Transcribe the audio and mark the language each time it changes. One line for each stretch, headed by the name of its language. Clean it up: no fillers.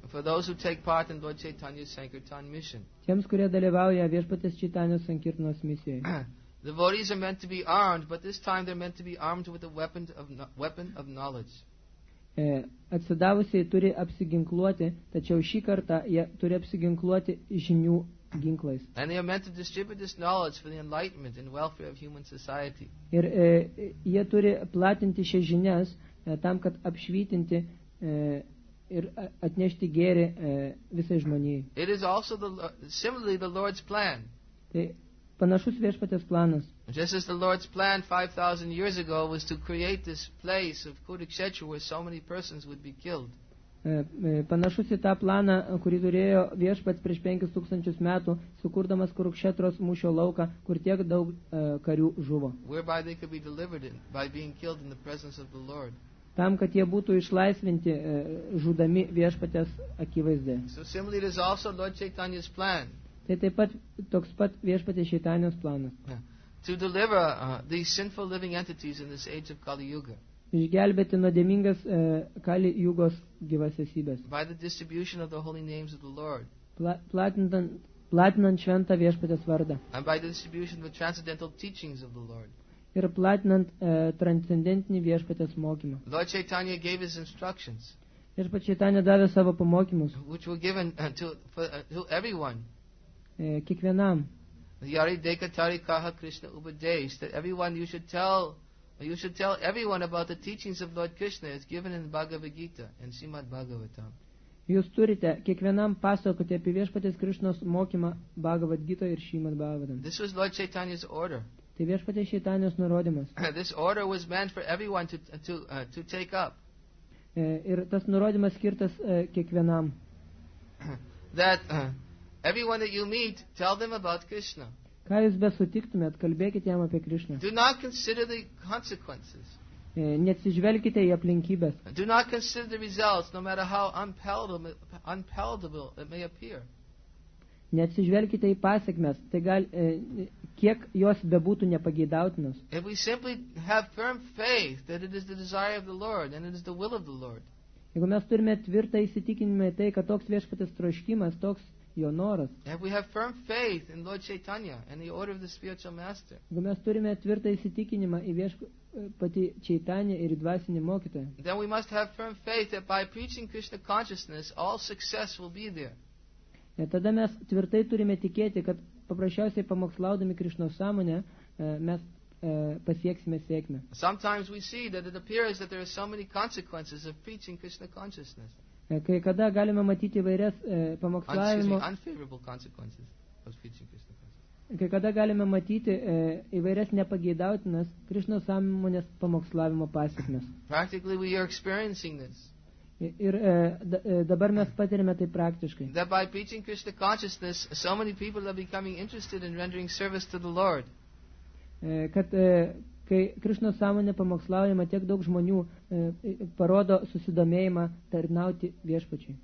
English: For those who take part in Lord Chaitanya's Sankirtan mission.
Lithuanian: Tiems, kurie dalyvauja viešpatės Chaitanyos Sankirtanos misijoje.
English: The devotees are meant to be armed, but this time they're meant to be armed with a weapon of knowledge.
Lithuanian: Atsidavusiai turi apsiginkluoti, tačiau šį kartą jie turi apsiginkluoti žinių ginklais.
English: And they are meant to distribute this knowledge for the enlightenment and welfare of human society.
Lithuanian: Ir jie turi platinti šias žinias tam, kad apšvytinti ir atnešti gėrį visai žmonijai.
English: It is also similarly the Lord's plan.
Lithuanian: Panašus viešpatės planas.
English: Just as the Lord's plan 5,000 years ago was to create this place of Kurukshetra where so many persons would be killed.
Lithuanian: Panašus į tą planą, kurį turėjo viešpats prieš 5,000 metų, sukurdamas Kurukshetros mūšio lauką, kur tiek daug karių žuvo.
English: Whereby they could be delivered by being killed in the presence of the Lord.
Lithuanian: Tam, kad jie būtų išlaisvinti žudami viešpatės akivaizdė.
English: So similarly it is also Lord Chaitanya's plan.
Lithuanian: Tai taip pat toks pat viešpatės Chaitanyos planas.
English: To deliver these sinful living entities in this age of Kali Yuga.
Lithuanian: Išgelbėti nuodėmingas Kali Jugos gyvas esybės.
English: By the distribution of the holy names of the Lord.
Lithuanian: Platinant šventą viešpatės vardą.
English: And by the distribution of the transcendental teachings of the Lord.
Lithuanian: Ir platinant transcendentinį viešpatės mokymą.
English: Lord Chaitanya gave his instructions.
Lithuanian: Viešpats Chaitanya davė savo pamokymus.
English: Which were given to everyone.
Lithuanian: Kiekvienam.
Bangla: Yari deka tari kaha Krishna upadesh,
English: that everyone you should tell everyone about the teachings of Lord Krishna as given in Bhagavad Gita and Srimad Bhagavatam.
Lithuanian: Jūs turite kiekvienam pasakoti apie viešpatės Krishnos mokymą Bhagavad Gita ir Srimad Bhagavatam.
English: This was Lord Chaitanya's order.
Lithuanian: Tai viešpatės Chaitanyos nurodymas.
English: This order was meant for everyone to take up.
Lithuanian: Ir tas nurodymas skirtas kiekvienam.
English: That everyone that you meet, tell them about Krishna.
Lithuanian: Ką jūs besutiktumėt, kalbėkite jam apie Krishna.
English: Do not consider the consequences.
Lithuanian: Neatsižvelkite į aplinkybes.
English: Do not consider the results, no matter how unpalatable it may appear.
Lithuanian: Neatsižvelkite į pasekmes, tai gal, kiek jos bebūtų nepageidautinos.
English: If we simply have firm faith that it is the desire of the Lord and it is the will of the Lord.
Lithuanian: Jeigu mes turime tvirtą įsitikinimą į tai, kad toks viešpatės troškimas, toks jo noras.
English: If we have firm faith in Lord Chaitanya and the order of the spiritual master.
Lithuanian: Jeigu mes turime tvirtą įsitikinimą į patį Čaitanią ir dvasinį mokytoją.
English: Then we must have firm faith that by preaching Krishna consciousness all success will be there.
Lithuanian: Ir tada mes tvirtai turime tikėti, kad paprasčiausiai pamokslaudami Krishna sąmonę, mes pasieksime sėkmę.
English: Sometimes we see that it appears that there are so many consequences of preaching Krishna consciousness.
Lithuanian: Kai kada galime matyti įvairias pamokslavimo
English: unfavorable consequences of preaching Krishna consciousness.
Lithuanian: Kai kada galime matyti įvairias nepageidautinas Krishna sąmonės pamokslavimo pasekmes.
English: Practically we are experiencing this.
Lithuanian: Ir dabar mes patiriame tai praktiškai.
English: That by preaching Krishna consciousness so many people are becoming interested in rendering service to the Lord.
Lithuanian: Kad kai Krishna sąmonė pamokslaujama, tiek daug žmonių parodo susidomėjimą tarnauti viešpačiui.